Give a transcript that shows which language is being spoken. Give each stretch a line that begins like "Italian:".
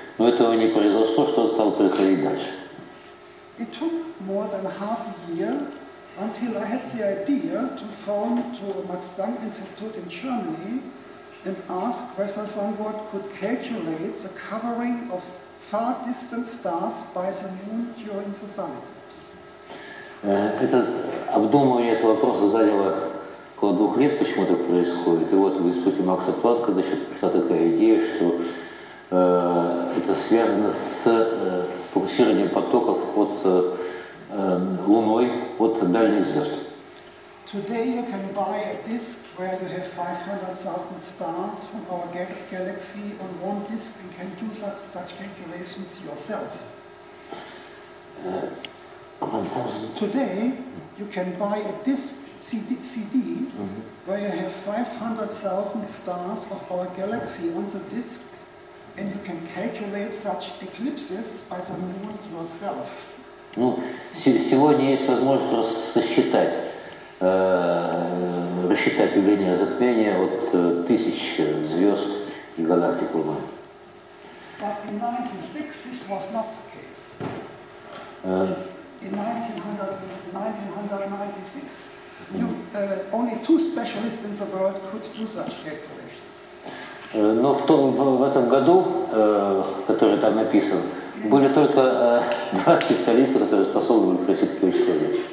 Russian: Но этого не произошло, что стало происходить дальше.
English: It took more than half a year until I had the idea to phone to Max Planck Institute in Germany and ask whether someone could calculate the covering of far distant stars by the moon during the sun eclipse.
Russian: Это обдумывание этого вопроса заняло около двух лет, почему так происходит. И вот в институте Макса Планка пришла такая идея, что это связано с фокусированием потоков от Луной от дальних звезд.
English: Today you can buy a disk where you have 500,000 stars from our galaxy on one disk and can do such calculations yourself. Today you can buy a disk CD where you have 500,000 stars of our galaxy on the disk and you can calculate such eclipses by the moon yourself.
Russian: Ну, сегодня есть возможность просто сосчитать, рассчитать явление затмения от тысяч звезд и галактик Луны.
English: But in 1996 this was not the case. In 1996 only two specialists in the world could do such calculations.
Russian: Но в этом году, который там написан, были только два специалиста, которые способны были просить перечисления.